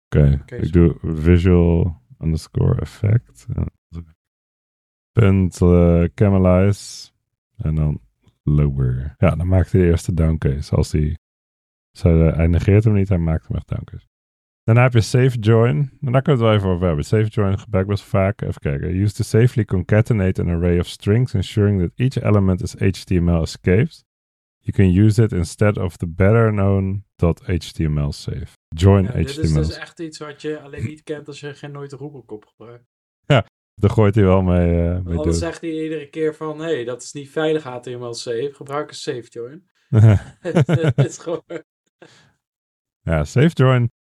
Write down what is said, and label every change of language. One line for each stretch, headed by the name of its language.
Dutch: Oké, ik doe visual underscore effect. Punt camelize. En dan lower. Ja, dan maakt hij de eerste downcase. Als hij negeert hem niet, hij maakt hem echt downcase. Daarna heb je safe join. En daar kunnen we het wel even over hebben. Safe join gebruikt best vaak. Even kijken.
English: Use to safely concatenate an array of strings, ensuring that each element is HTML escaped. You can use it instead of the better known .html safe. Join HTML.
Dutch: Dit is dus echt iets wat je alleen niet kent als je geen nooit roepelkop gebruikt. Ja, daar gooit hij wel mee. Mee anders zegt hij iedere keer van, hey, dat is niet veilig HTML safe. Gebruik een safe join. Het is gewoon... Ja, safe join.